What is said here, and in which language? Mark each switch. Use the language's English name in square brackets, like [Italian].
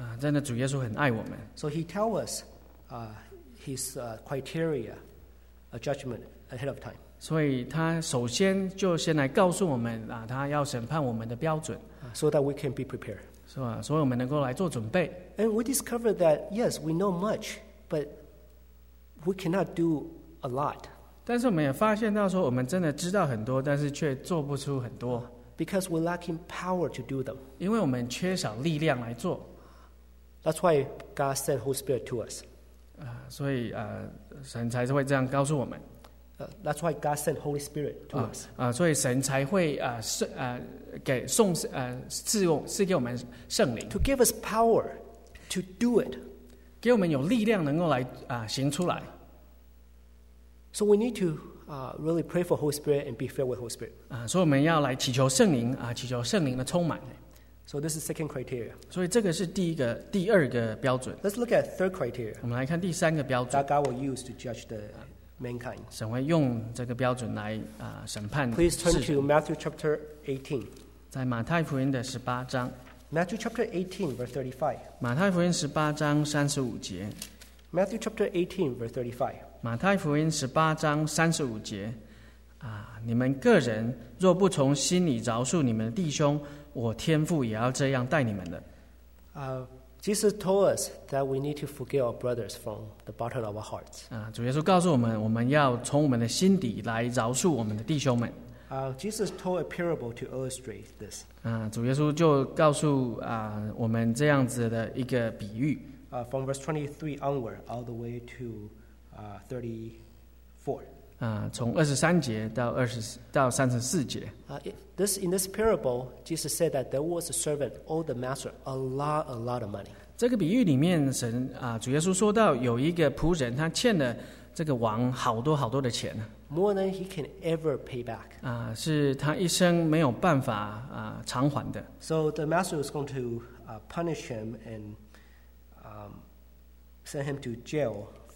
[Chinese] 真的，主耶稣很爱我们。 [English] So he tells us, his criteria, a judgment ahead of time. [Chinese] 所以他首先就先来告诉我们，他要审判我们的标准。 [English] So that we can be prepared. [Chinese] 是吧？所以我们能够来做准备。 [English] And we discovered that, yes, we know much, but we cannot do a lot. [Chinese] 但是我们也发现到说，我们真的知道很多，但是却做不出很多。 [English] Because we're lacking power to do them. [Chinese] 因为我们缺少力量来做。 [English] That's why God sent Holy Spirit to us. [Chinese] 所以神才会这样告诉我们。 [English] That's why God sent Holy Spirit to us. [Chinese] 所以神才会给送赐用赐给我们圣灵。 [English] To give us power to do it. [Chinese] 给我们有力量能够来行出来。 [English] So we need to really pray for Holy Spirit and be filled with Holy Spirit. [Chinese] 所以我们要来祈求圣灵祈求圣灵的充满。 [English] So this is second criteria. [Chinese] 所以这个是第二个标准。 [English] Let's look at third criteria. [Chinese] 我们来看第三个标准。 [English] That God will use to judge the mankind. [Chinese] 神会用这个标准来审判。 [English] Please turn to Matthew chapter 18. [Chinese] 在马太福音的十八章。 [English] Matthew chapter 18 verse 35. [Chinese] 马太福音十八章三十五节。 [English] Matthew chapter 18 verse 35. [Chinese] 马太福音十八章三十五节你们个人若不从心里饶恕你们的弟兄，我天父也要这样待你们的。 [English] Jesus told us that we need to forgive our brothers from the bottom of our hearts. [Chinese] 主耶稣告诉我们，我们要从我们的心底来饶恕我们的弟兄们。 [English] Jesus told a parable to illustrate this. [Chinese] 主耶稣就告诉我们这样子的一个比喻。 [English] From verse 23 onward, all the way to 34. [Chinese] 从二十三节到三十四节。 [English] In this parable, Jesus said that there was a servant owed the master a lot of money. [Chinese] 这个比喻里面，主耶稣说到有一个仆人，他欠了这个王好多好多的钱。 [English] More than he can ever pay back. [Chinese] 是他一生没有办法偿还的。 [English] So the master was going to punish him and send him to jail.